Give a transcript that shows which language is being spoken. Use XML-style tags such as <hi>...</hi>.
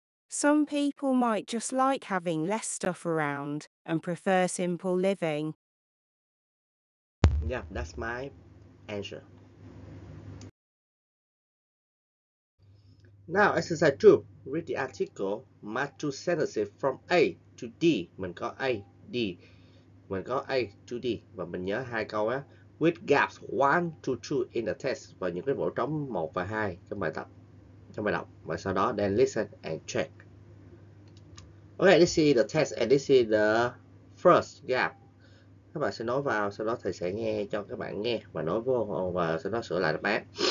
<en>Some people might just like having less stuff around and prefer simple living. Yeah, that's my answer. Now, exercise 2. Read the article, match two sentences from A to D.</en> <vi>Mình có A, D. Mình có A to D. Và mình nhớ hai câu á.</vi> <en>With gaps 1 to 2 in the test</en> <vi>và những cái bộ trống 1 và 2 trong bài tập, trong bài đọc. Và sau đó</vi> <en>then listen and check. Ok, this is the test and this is the first gap.</en> <vi>Các bạn sẽ nói vào, sau đó thầy sẽ nghe cho các bạn nghe và nói vô và sau đó sửa lại đáp án.</vi>